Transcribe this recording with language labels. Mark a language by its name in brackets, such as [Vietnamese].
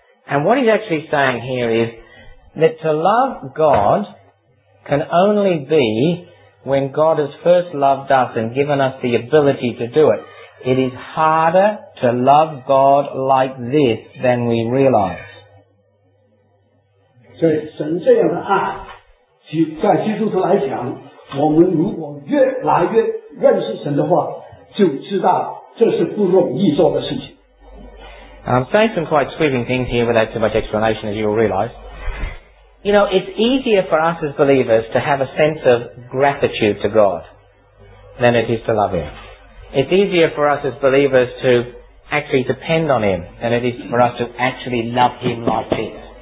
[English] And what he's actually saying here is, that to love God can only be when God has first loved us and given us the ability to do it. It is harder to love God like this than we realize. [Chinese] So, 神这样的爱，在基督徒来讲，我们如果越来越认识神的话，就知道这是不容易做的事情。 [English] I'm saying some quite sweeping things here without too much explanation, as you will realize. You know, it's easier for us as believers to have a sense of gratitude to God than it is to love him. It's easier for us as believers to actually depend on him than it is for us to actually love him like this.